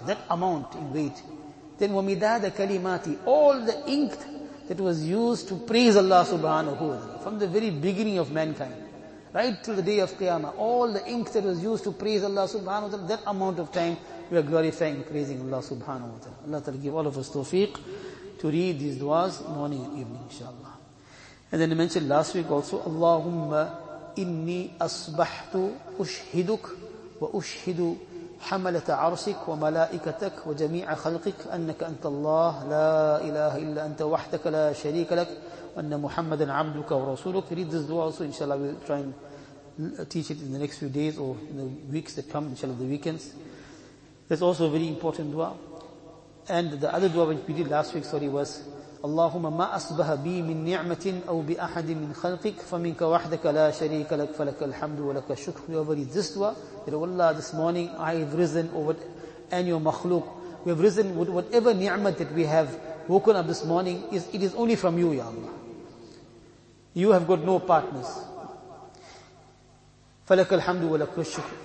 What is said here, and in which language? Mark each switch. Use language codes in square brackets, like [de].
[en] That amount in weight. Then [ar] wamidada kalimati, [en] all the ink that was used to praise Allah subhanahu wa ta'ala from the very beginning of mankind, right till the day of Qiyamah, all the ink that was used to praise Allah subhanahu wa ta'ala, that amount of time we are glorifying and praising Allah subhanahu wa ta'ala. Allah ta'ala give all of us tawfiq to read these du'as morning and evening, inshaAllah. And then I mentioned last week also, [ar] Allahumma inni asbahtu ushiduk wa ushidu حملت عرشك وملائكتك وجميع خلقك أنك أنت الله لا إله إلا أنت وحدك لا شريك لك وأن محمدا عبدك ورسولك. [en] Read this dua also, inshallah we'll try and teach it in the next few days or in the weeks that come, inshallah the weekends. That's also a very important dua. And the other dua which we did last week, sorry, was [ar] اللهم ما أصبح بي من نعمة أو بأحد من خلقك فمنك وحدك لا شريك لك فلك الحمد ولك الشكر. [en] We have read this dua. That, oh Allah, this morning I have risen, or what, and your makhluk, we have risen with whatever ni'mat that we have woken up this morning, is it is only from you, Ya Allah. You have got no partners. [ar] فلك الحمد ولك الشكر.